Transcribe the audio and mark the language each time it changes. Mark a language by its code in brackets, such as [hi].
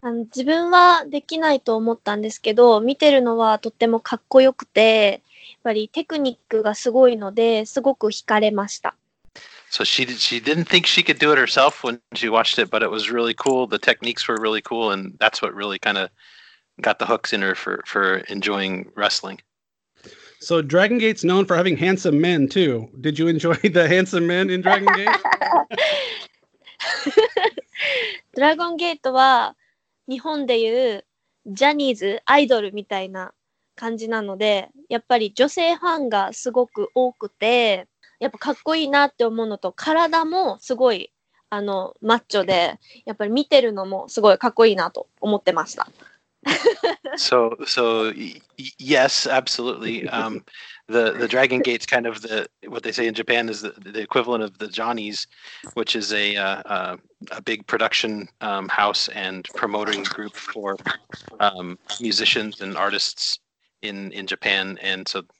[ja] 自分はできないと思ったんですけど、見てるのはとってもかっこよくて、やっぱりテクニックがすごいので、すごく惹かれました。 [en] So she didn't think she could do it herself when she watched it, but it was really cool. The techniques were really cool, and that's what really kind of got the hooks in her for enjoying wrestling. So Dragon Gate's known for having handsome men, too. Did you enjoy the handsome men in Dragon Gate? [ja] Dragon Gate は日本でいうジャニーズアイドルみたいな感じなので、やっぱり女性ファンがすごく多くて、やっぱかっこいいなって思うのと体もすごいあのマッチョでやっぱり見てるのもすごいかっこいいなと思ってました。 [en] so yes, absolutely. The Dragon Gate's kind of the what they say in Japan is the equivalent of the Johnnies, which is a big production house and promoting group for musicians and artists in Japan, and so.